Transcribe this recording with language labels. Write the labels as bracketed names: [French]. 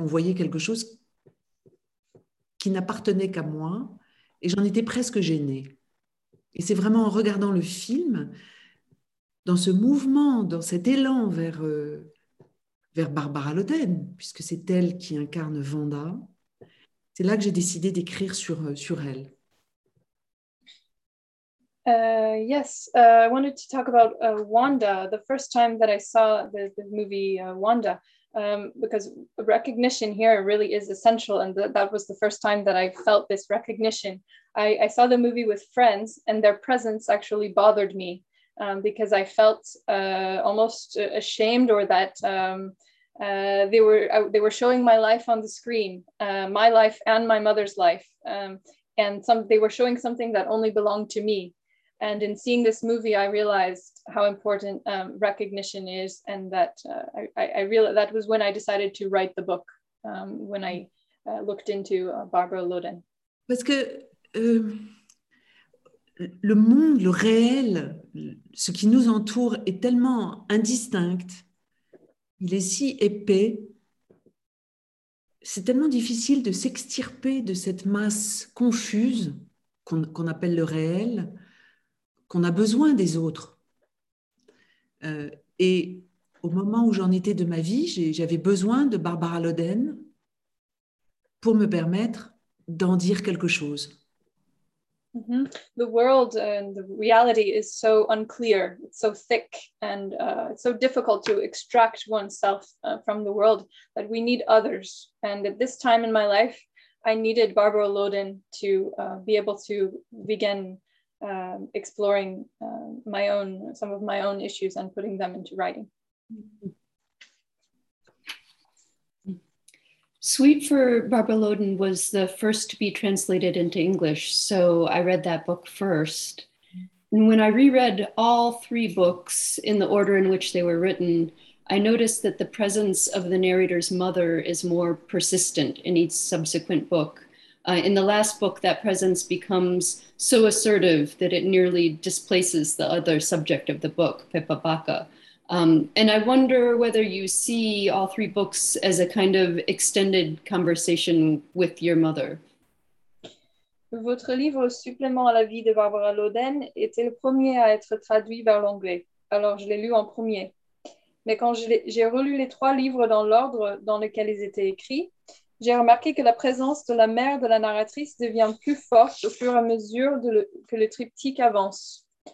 [French] On voyait quelque chose qui n'appartenait qu'à moi et j'en étais presque gênée. Et c'est vraiment en regardant le film, dans ce mouvement, dans cet élan vers Barbara Loden, puisque c'est elle qui incarne Wanda, c'est là que j'ai décidé d'écrire sur elle. [English] Yes, I wanted to talk about Wanda, the first time that I saw the movie Wanda, because recognition here really is essential, and that was the first time that I felt this recognition. I saw the movie with friends, and their presence actually bothered me. Because I felt almost ashamed, or that they were showing my life on the screen, my life and my mother's life, they were showing something that only belonged to me. And in seeing this movie, I realized how important recognition is, and that I realized that was when I decided to write the book, when I looked into Barbara Loden. [French] Parce que le monde, le réel, ce qui nous entoure est tellement indistinct, il est si épais, c'est tellement difficile de s'extirper de cette masse confuse qu'on appelle le réel, qu'on a besoin des autres. Et au moment où j'en étais de ma vie, j'avais besoin de Barbara Loden pour me permettre d'en dire quelque chose. Mm-hmm. [English] The world and the reality is so unclear, it's so thick, and it's so difficult to extract oneself from the world that we need others. And at this time in my life, I needed Barbara Loden to be able to begin exploring some of my own issues and putting them into writing. Sweet for Barbara Loden was the first to be translated into English, so I read that book first. And when I reread all three books in the order in which they were written, I noticed that the presence of the narrator's mother is more persistent in each subsequent book. In the last book, that presence becomes so assertive that it nearly displaces the other subject of the book, Pippa Baca. And I wonder whether you see all three books as a kind of extended conversation with your mother. [French] Votre livre Supplément à la vie de Barbara Loden était le premier à être traduit vers l'anglais. Alors je l'ai lu en premier. Mais quand j'ai relu les trois livres dans l'ordre dans lequel ils étaient écrits, j'ai remarqué que la présence de la mère de la narratrice devient plus forte au fur et à mesure que le triptyque avance.